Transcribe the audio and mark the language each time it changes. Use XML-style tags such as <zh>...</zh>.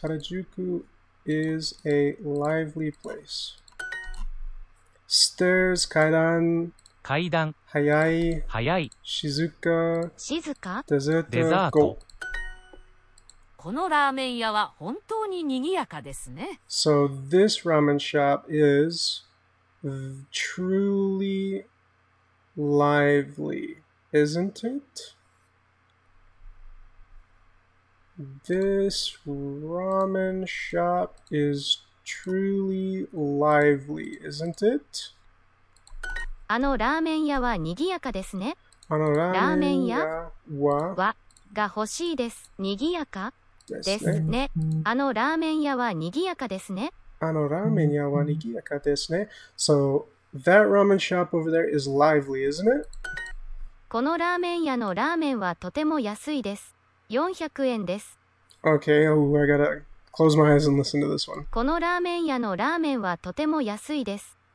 <en>Harajuku is a lively place. Stairs, kaidan.</en> <ja>Kaidan. Hayai. Hayai. Shizuka. Shizuka.</ja> <en>Desert. Go.</en> <ja>このラーメン屋は本当に賑やかですね。</ja> <en>So this ramen shop is truly lively, isn't it? This ramen shop is truly lively, isn't it?</en> <ja>あのラーメン屋は賑やかですね。あのラーメン屋は、はが欲しいです。賑やかですね。あのラーメン屋は賑やかですね。あのラーメン屋はにぎやかですね。</ja> <en>So that ramen shop over there is lively, isn't it?</en> <ja>このラーメン屋のラーメンはとても安いです。 400円です。</ja> <en>Okay, oh, I gotta close my eyes and listen to this one.</en> <ja>このラーメン屋のラーメンはとても安いです。</ja>